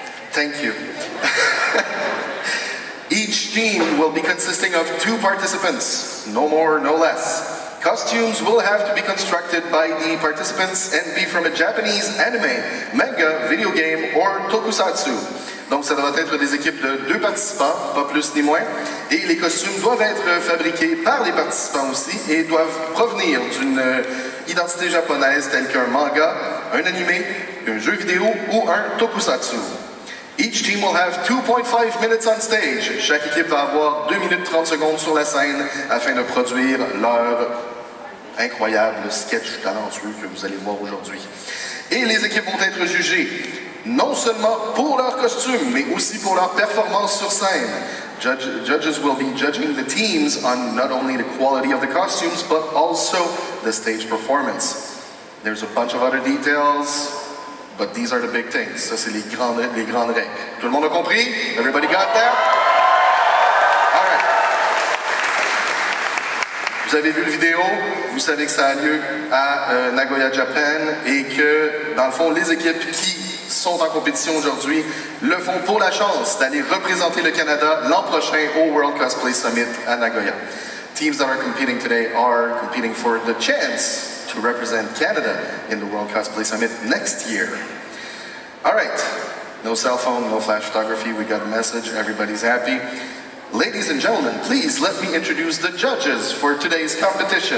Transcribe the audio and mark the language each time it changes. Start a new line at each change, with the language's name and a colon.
English: Thank you. Each team will be consisting of 2 participants, no more, no less. Costumes will have to be constructed by the participants and be from a Japanese anime, manga, video game, or tokusatsu.
French: Donc ça devrait être des équipes de 2 participants, pas plus ni moins. Et les costumes doivent être fabriqués par les participants aussi et doivent provenir d'une identité japonaise telle qu'un manga, un anime, un jeu vidéo ou un tokusatsu.
English: Each team will have 2.5 minutes on stage.
French: Chaque équipe va avoir 2 minutes 30 secondes sur la scène afin de produire leur incroyable sketch talentueux que vous allez voir aujourd'hui. Et les équipes vont être jugées non seulement pour leur costume, mais aussi pour leur performance sur scène.
English: Judges will be judging the teams on not only the quality of the costumes, but also the stage performance. There's a bunch of other details. But these are the big things.
French: Ça, c'est les grandes règles. Tout le monde a compris?
English: Everybody got that? All right.
French: Vous avez vu la vidéo. Vous savez que ça a lieu à Nagoya, Japan. Et que, dans le fond, les équipes qui sont en compétition aujourd'hui le font pour la chance d'aller représenter le Canada l'an prochain au World Cosplay Summit à Nagoya.
English: Teams that are competing today are competing for the chance to represent Canada in the World Cosplay Summit next year. All right, no cell phone, no flash photography, we got a message, everybody's happy. Ladies and gentlemen, please let me introduce the judges for today's competition.